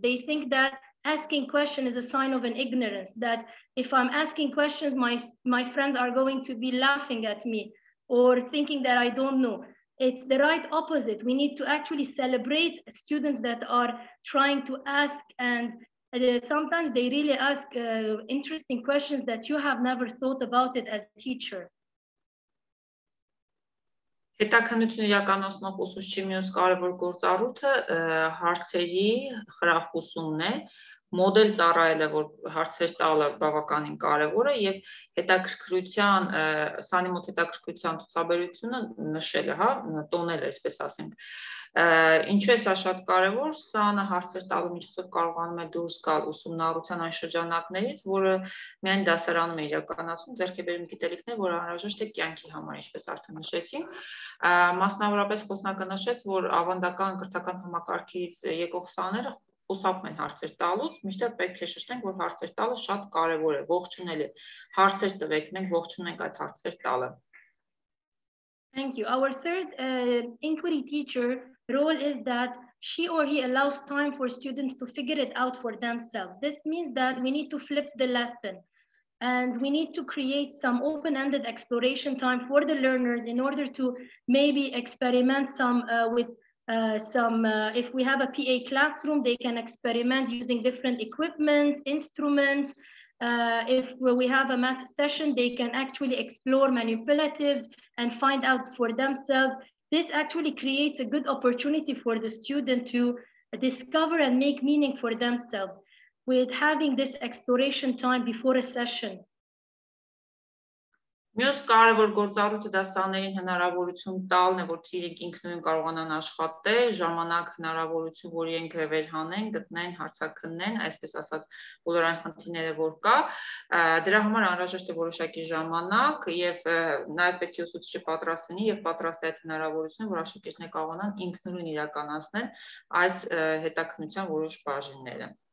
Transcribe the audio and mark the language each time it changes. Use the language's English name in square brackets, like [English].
[English] They think that asking questions is a sign of an ignorance, that if I'm asking questions, my friends are going to be laughing at me or thinking that I don't know. It's the right opposite. We need to actually celebrate students that are trying to ask, and sometimes they really ask interesting questions that you have never thought about it as a teacher. [Armenian] Հետաքննությունը իրականացնող ուսուցչի մյուս կարևոր գործառույթը հարցերի խրախ ուսումն է, մոդել ծառայելը, որ հարցեր տալը բավականին կարևոր է, եւ հետաքրքրության, սանի մոտ հետաքրքրության ցուցաբերությունը նշել է, հա, տոնել է, այսպես ասենք։ Ինչու է սա շատ կարևոր, սանը հարցեր տալու միջոցով կարողանում է դուրս գալ ուսումնառության այն շրջանակներից, որը միայն դասարանում է իրականացում ձեռքբերում գիտելիքներ, որ անհրաժեշտ է կյանքի համար, ինչպես արդեն նշեցին։ Մասնավորապես խոսնակը նշեց, որ ավանդական կրթական համակարգից եկող սաները խոսապում են հարցեր տալուց, միշտ պետք է շեշտենք, որ հարցեր տալը շատ կարևոր է, ողջունել է, հարցեր տվեք, մենք ողջունենք այդ հարցեր տալը։ [English] Thank you. Our third inquiry teacher role is that she or he allows time for students to figure it out for themselves. This means that we need to flip the lesson and we need to create some open-ended exploration time for the learners in order to maybe experiment some with some, if we have a PA classroom, they can experiment using different equipment, instruments. If we have a math session, they can actually explore manipulatives and find out for themselves. This actually creates a good opportunity for the student to discover and make meaning for themselves with having this exploration time before a session. [Armenian] Մյուս կարևոր գործառույթը դասանային հնարավորություն տալն է, որ իրենք ինքնուրույն կարողանան աշխատել, ժամանակ հնարավորություն, որ իրենք վերհանեն, գտնեն, հարցակննեն, այսպես ասած, բոլոր այն խնդիրները, որ կա, դրա համար անհրաժեշտ է որոշակի ժամանակ եւ նաեւ պետք է ուսուցիչը պատրաստ լինի եւ պատրաստ է այդ հնարավորությունը, որ աշակերտն է կարողանան ինքնուրույն իրականացնել այս հետաքննության որոշ բաժինները։